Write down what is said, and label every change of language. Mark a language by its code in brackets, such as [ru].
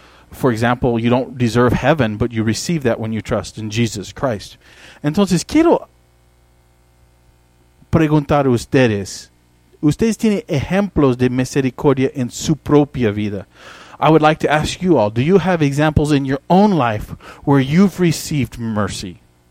[en] For example, you don't deserve heaven, but you receive that when you trust in Jesus Christ. [es] Entonces, quiero preguntar a ustedes. ¿Ustedes tienen ejemplos de misericordia en su propia vida? [en] I would like to ask you all, do you have examples in your own life where you've received mercy?